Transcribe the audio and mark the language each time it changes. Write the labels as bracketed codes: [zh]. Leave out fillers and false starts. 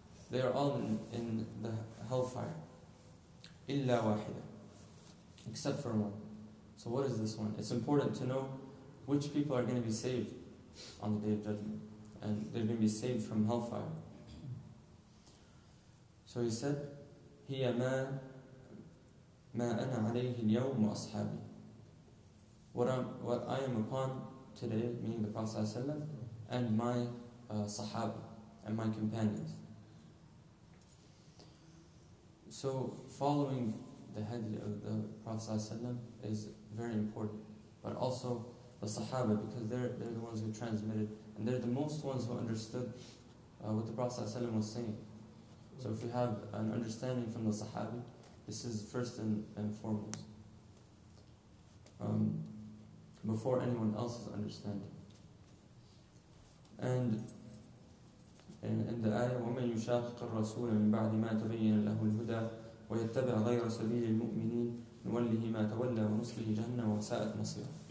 [en] They are all in the hellfire. [ar] إِلَّا وَاحِدًا. [en] Except for one. So what is this one? It's important to know which people are going to be saved on the Day of Judgment, and they're going to be saved from hellfire. So he said, [ar] هِيَ مَا أَنَا عَلَيْهِ الْيَوْمُ وَأَصْحَابِي. [en] What I am upon today, meaning the Prophet ﷺ, and my sahaba, and my companions. So following the hadith of the Prophet ﷺ is very important, but also the sahaba, because they're the ones who transmitted, and they're the most ones who understood what the Prophet ﷺ was saying. So if you have an understanding from the sahabi, this is first and foremost, before anyone else's understanding. And in the ayah, [ar] وَمَنْ يُشَاقِقَ الرَّسُولَ مِنْ بَعْدِ مَا تَبَيَّنَ لَهُ الْهُدَى وَيَتَّبِعَ غَيْرَ سَبِيلِ الْمُؤْمِنِينَ نُوَلِّهِ مَا تَوَلَّى وَنُصْلِهِ جَهَنَّمَ وَسَاءَتْ مَصِيرًا.